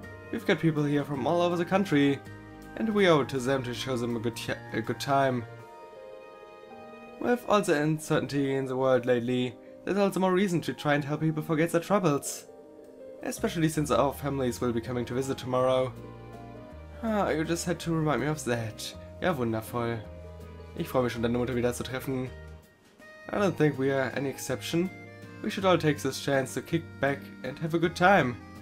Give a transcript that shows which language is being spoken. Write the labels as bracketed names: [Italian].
[English] We've got people here from all over the country, and we owe it to them to show them a good time. With all the uncertainty in the world lately, there's all the more reason to try and help people forget their troubles. Especially since our families will be coming to visit tomorrow. Ah, you just had to remind me of that. [German] Ja, wundervoll. Ich freue mich schon, deine Mutter wieder zu treffen. [English] I don't think we are any exception. We should all take this chance to kick back and have a good time.